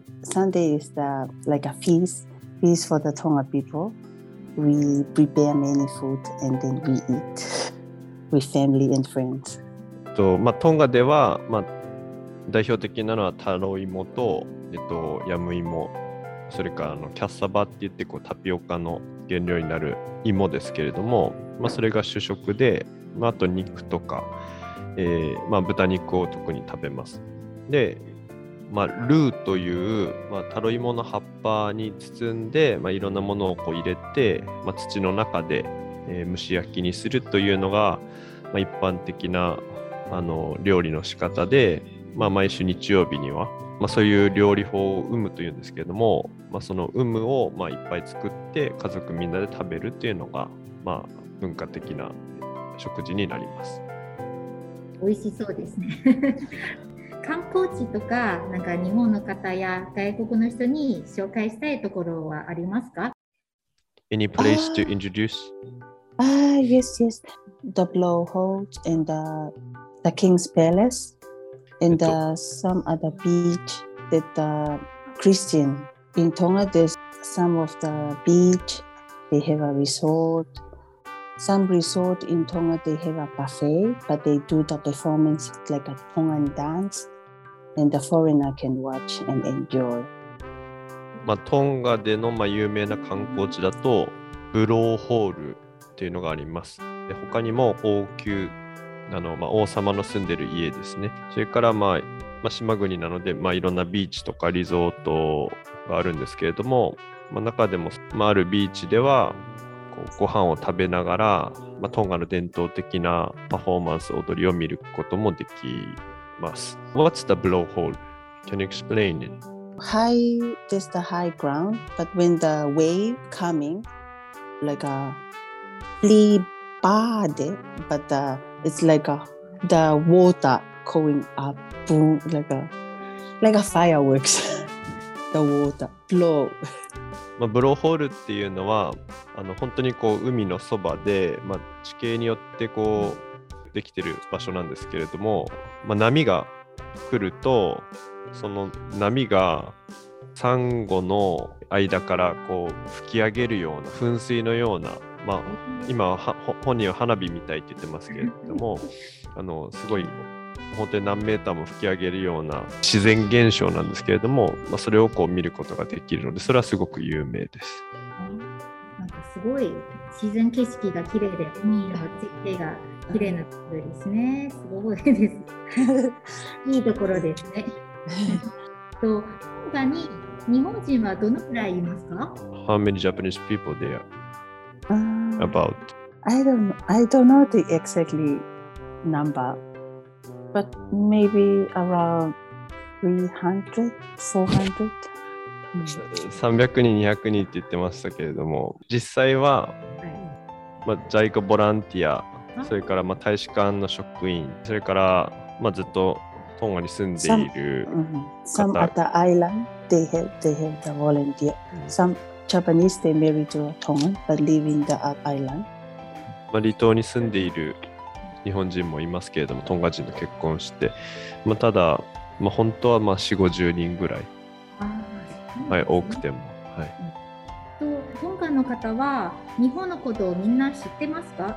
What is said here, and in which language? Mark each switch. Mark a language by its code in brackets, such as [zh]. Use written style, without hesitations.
[en] Sunday is the, like a feast for the Tonga people. We prepare many food and then we eat with family and friends. [ja] まあ、トンガでは、まあ、代表的なのはタロイモと、ヤムイモ、それからあのキャッサバって言ってこうタピオカの原料になる芋ですけれども、まあ、それが主食で、まあ、あと肉とか、まあ、豚肉を特に食べます。で、まあ、ルーという、まあ、タロイモの葉っぱに包んで、まあ、いろんなものをこう入れて、まあ、土の中で、蒸し焼きにするというのが、まあ、一般的なあの料理の仕方で、まあ、毎週日曜日には、まあ、そういう料理法をウムというんですけれども、まあ、そのウムをまあいっぱい作って家族みんなで食べるというのがまあ文化的な食事になります。美味しそうですね。観光地と か, なんか日本の方や外国の人に紹介したいところはありますか？ [en] Any place to introduce? Yes, yes. The Blowhole and the King's PalaceAnd some other beach that the Christian in Tonga, there's some of the beach, they have a resort. Some resort in Tonga, they have a buffet, but they do the performance like a Tongan dance, and the foreigner can watch and enjoy. [ja] まあ、トンガでの、まあ、有名な観光地だと、ブローホールっていうのがあります。で、他にも王宮、あのまあ、王様の住んでる家ですね。それから、まあまあ、島国なので、まあ、いろんなビーチとかリゾートがあるんですけれども、まあ、中でも、まあ、あるビーチではこうご飯を食べながら、まあ、トンガの伝統的なパフォーマンス踊りを見ることもできます。 [en] What's the blowhole? Can you explain it? High, there's the high ground, but when the wave coming like a flea bird, but theIt's like the water going up, boom, like a fireworks. The water blow. [ja] まあ、ブローホールっていうのはあの本当にこう海のそばで、まあ、地形によってこうできてる場所なんですけれども、まあ、波が来るとその波がサンゴの間からこう吹き上げるような噴水のような、まあ、今は本人は花火みたいって言ってますけれどもあのすごい本当に何メーターも吹き上げるような自然現象なんですけれども、まあ、それをこう見ることができるのでそれはすごく有名です。なんかすごい自然景色が綺麗で海の絶景が綺麗なところですね。すごいですいいところですね他に日本人はどのくらいいますか？ [en] How many Japanese people thereAbout. I don't know the exactly number, but maybe around 300, 400. [ja] 300人、200人って言ってましたけれども、実際は、まあ、在庫ボランティア、それから、まあ、大使館の職員、それから、まあ、ずっとトンガに住んでいる [en] 方。Some other island, they have the volunteer. Some. Japanese, they married to a Tongan, but live in the island. [ja] まあ、離島に住んでいる日本人もいますけれども、トンガ人と結婚して、まあ、ただ、まあ、本当はまあ 4,50 人ぐらい、ね、はい、多くても、はい、と、トンガの方は日本のことをみんな知ってますか？